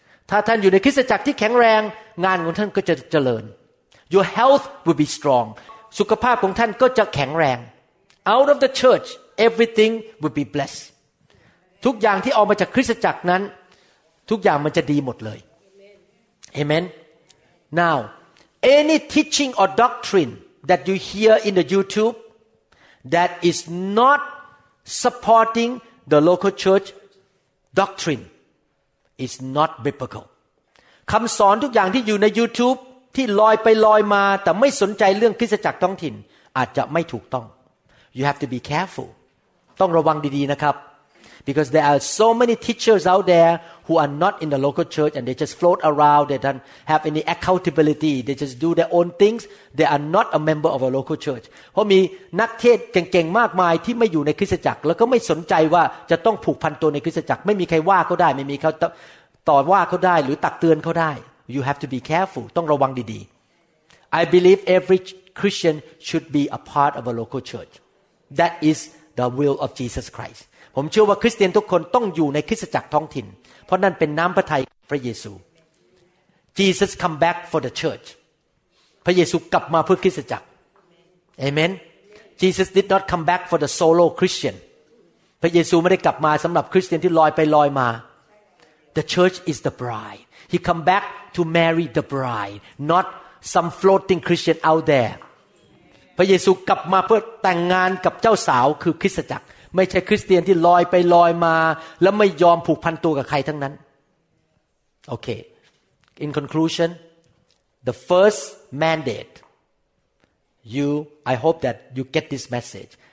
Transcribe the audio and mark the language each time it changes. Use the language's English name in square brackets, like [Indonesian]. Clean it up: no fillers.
[Thai] ถ้าท่านอยู่ในคริสตจักรที่แข็งแรงงานของท่านก็จะเจริญ [English] Your health will be strong. [Thai] สุขภาพของท่านก็จะแข็งแรง [English] Out of the church, everything will be blessed. [Thai] ทุกอย่างที่ออกมาจากคริสตจักรนั้นทุกอย่างมันจะดีหมดเลย Amen. [English] Amen. Now, any teaching or doctrine that you hear in the YouTube that is not supporting the local church doctrine is not biblical. [Thai] คำสอนทุกอย่างที่อยู่ใน YouTube ที่ลอยไปลอยมาแต่ไม่สนใจเรื่องคริสตจักรท้องถิ่นอาจจะไม่ถูกต้อง [English] You have to be careful. [Thai] ต้องระวังดีๆนะครับ [English] Because there are so many teachers out there who are not in the local church and they just float around, they don't have any accountability, they just do their own things, they are not a member of a local church. [Thai] เพราะมีนักเทศเก่งๆมากมายที่ไม่อยู่ในคริสตจักรแล้วก็ไม่สนใจว่าจะต้องผูกพันตัวในคริสตจักรไม่มีใครว่าเขาได้ไม่มีเขาต่อว่าเขาได้หรือตักเตือนเขาได้ [English] You have to be careful, [Thai] ต้องระวังดีๆ [English] I believe every Christian should be a part of a local church. That is the will of Jesus Christ. [Thai] ผมเชื่อว่าคริสเตียนทุกคนต้องอยู่ในคริสตจักรท้องถิ่นเพราะนั่นเป็นน้ำพระทัยพระเยซู [English] Jesus come back for the church [Thai] พระเยซูกลับมาเพื่อคริสตจักร [English] Amen. Amen Jesus did not come back for the solo Christian [Thai] พระเยซูไม่ได้กลับมาสำหรับคริสเตียนที่ลอยไปลอยมา [English] The church is the bride. He come back to marry the bride, not some floating Christian out there. [Thai] พระเยซูกลับมาเพื่อแต่งงานกับเจ้าสาวคือคริสตจักรไม่ใช่คริสเตียนที่ลอยไปลอยมาแล้วไม่ยอมผูกพันตัวกับใครทั้งนั้น [English] โอเค In conclusion, the first mandate I hope that you get this message.